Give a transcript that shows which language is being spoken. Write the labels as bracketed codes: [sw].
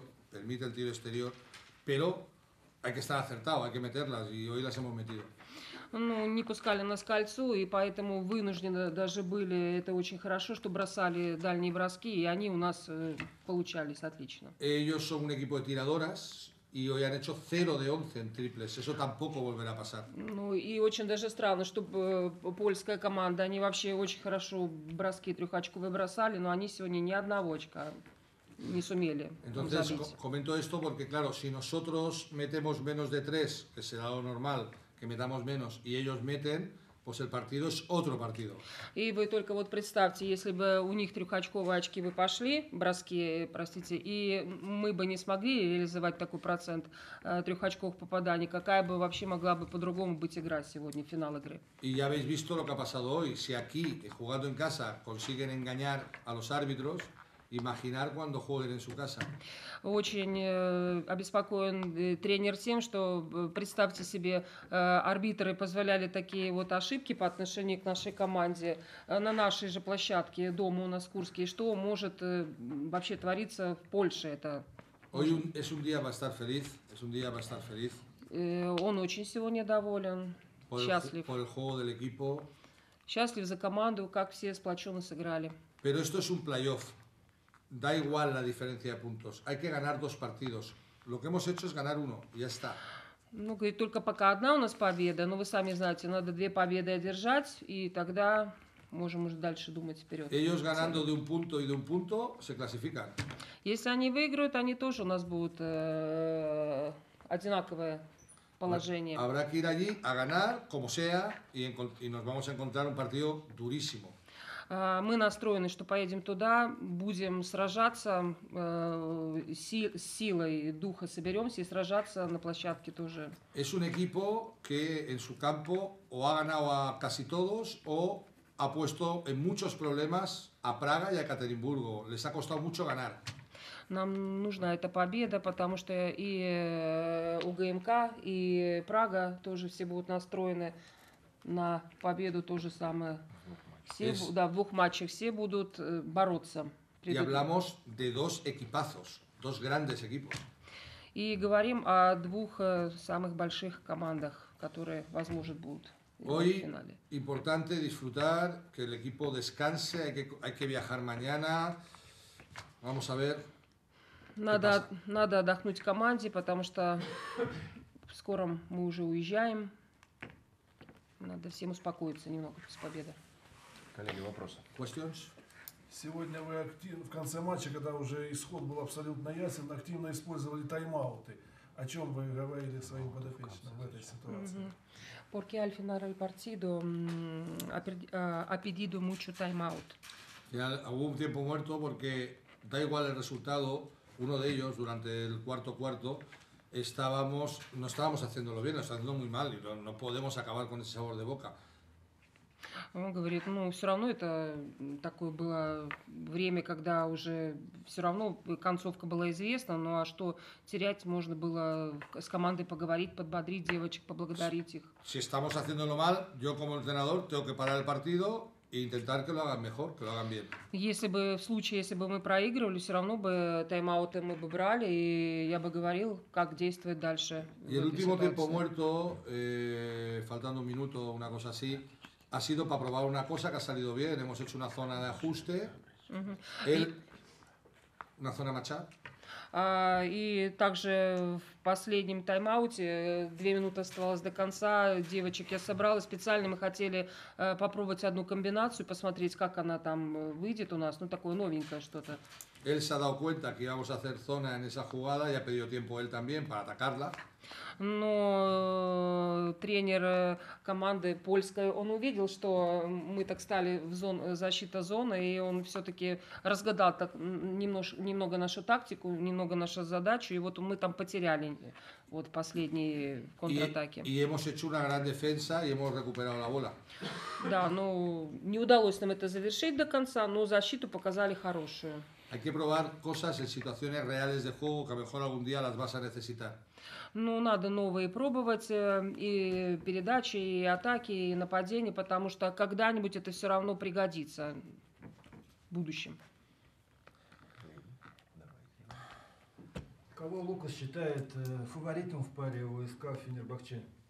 [es] Permite el tiro exterior, pero hay que estar acertado, hay que meterlas, y hoy las hemos metido. [ru] Ну, не пускали нас кольцо, и поэтому вынуждены даже были, это очень хорошо, что бросали дальние броски, и они у нас получались отлично. [es] Ellos son un equipo de tiradoras, y hoy han hecho 0 de 11 en triples, eso tampoco volverá a pasar. [ru] Ну, и очень даже странно, что польская команда, они вообще очень хорошо броски трехочковые бросали, но они сегодня ни одного очка не сумели. [es] Entonces, comento esto porque, claro, si nosotros metemos menos de 3, que será lo normal, que metamos menos, y ellos meten, pues el partido es otro partido. [ru] И вы только вот представьте, если бы у них трехочковые очки бы пошли, броски, простите, и мы бы не смогли реализовать такой процент трехочковых попаданий, какая бы вообще могла бы по-другому быть игра сегодня, финал игры? [es] И ya habéis visto lo que ha pasado hoy. Si aquí, jugando en casa, consiguen engañar a los árbitros, imaginar cuando jueguen en su casa. [ru] Очень обеспокоен тренер тем, что представьте себе, арбитры позволяли такие вот ошибки по отношению к нашей команде на нашей же площадке дома у нас в Курске. Что может вообще твориться в Польше это? [es] Hoy es un día para estar feliz. Es un día para estar feliz. [ru] Он очень сегодня доволен, счастлив. [es] Por el juego del equipo. [ru] Счастлив за команду, как все сплоченно сыграли. [es] Pero esto es un playoff. Da igual la diferencia de puntos. Hay que ganar dos partidos. Lo que hemos hecho es ganar uno y ya está. [ru] Ну, говорит, только пока одна у нас победа, но вы сами знаете, надо две победы одержать, и тогда можем уже дальше думать вперед. [es] Ellos ganando de un punto y de un punto se clasifican. [ru] Если они выиграют, они тоже у нас будут одинаковое положение. [es] Habrá que ir allí a ganar, como sea, y nos vamos a encontrar un partido durísimo. [ru] Мы настроены, что поедем туда, будем сражаться с силой духа, соберемся и сражаться на площадке тоже. [es] Es un equipo que en su campo o ha ganado a casi todos o ha puesto en muchos problemas a Praga y a Ekaterimburgo. Les ha costado mucho ganar. [ru] Нам нужна эта победа, потому что и УГМК, и Прага тоже все будут настроены на победу то же самое. Все, es... да, в двух матчах все будут бороться. [es] Y hablamos de dos equipazos, dos grandes equipos. [ru] И говорим о двух самых больших командах, которые, возможно, будут Hoy, в финале. [es] Hoy importante disfrutar, que el equipo descanse, hay que viajar mañana. Vamos a ver. [ru] Надо отдохнуть команде, потому что скоро мы уже уезжаем. Надо всем успокоиться немного после победы. Коллеги, вопросы? [en] Questions? [ru] Сегодня вы активно, в конце матча, когда уже исход был абсолютно ясен, активно использовали тайм-ауты. О чем вы говорили своим подопечным в этой ситуации? [es] Porque al final del partido ha pedido mucho time-out. Hubo un tiempo muerto porque da igual el resultado, uno de ellos durante el cuarto cuarto estábamos, no estábamos haciéndolo bien, estábamos haciendo muy mal y no podemos acabar con ese sabor de boca. [ru] Он говорит, ну, все равно это такое было время, когда уже все равно концовка была известна, ну а что терять можно было с командой поговорить, подбодрить девочек, поблагодарить их. [es] Si estamos haciéndolo mal, yo como entrenador tengo que parar el partido e intentar que lo hagan mejor, que lo hagan bien. [ru] Если бы в случае, если бы мы проигрывали, все равно бы тайм-ауты мы бы брали, и я бы говорил, как действовать дальше. [es] Y el último tiempo muerto, faltando un minuto, una cosa así, ha sido para probar una cosa que ha salido bien. Hemos hecho una zona de ajuste. Una zona matcha. [ru] Y также в последнем тайм-ауте, две минуты осталось до конца, девочек я собрала. Специально мы хотели попробовать одну комбинацию, посмотреть, как она там выйдет у нас. Ну, такое новенькое что-то. [es] Él se ha dado cuenta que íbamos a hacer zona en esa jugada y ha pedido tiempo él también para atacarla. [ru] Но тренер команды польской, он увидел, что мы так стали в зону, защита зоны, и он все-таки разгадал так, немного нашу тактику, немного нашу задачу, и вот мы там потеряли вот последние контратаки. [es] И hemos hecho una gran defensa y hemos recuperado la bola. [ru] Да, ну не удалось нам это завершить до конца, но защиту показали хорошую. [es] Hay que probar cosas en situaciones reales de juego que a lo mejor algún día las vas a necesitar. [ru] Ну, надо новые пробовать, и передачи, и атаки, и нападения, потому что когда-нибудь это все равно пригодится в будущем. Кого Лукас считает фаворитом в паре у СК Фенербахче?